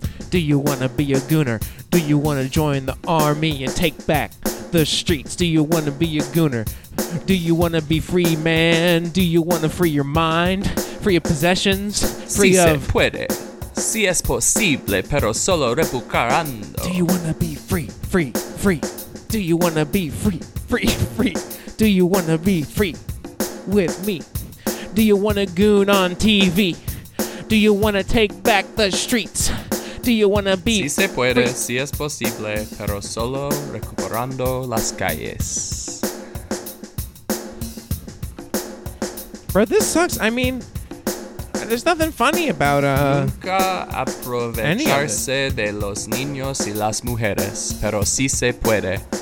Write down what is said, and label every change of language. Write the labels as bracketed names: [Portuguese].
[English] Do you want to be a gooner? Do you want to join the army and take back the streets? Do you want to be a gooner? Do you want to be free, man? Do you want to free your mind? Free your possessions? Free [Spanish] si [English] of... [Spanish] se puede. Si es posible, pero solo repucarando. [English] Do you want to be free, free, free? Do you want to be free, free, free? Do you want to be free with me? Do you want to goon on TV? Do you want to take back the streets? Do you wanna be? [Spanish] Si se puede, si es posible, pero solo recuperando las calles. [English] Bro, this sucks. I mean, there's nothing funny about [Spanish] Nunca aprovecharse de los niños y las mujeres, pero si se puede,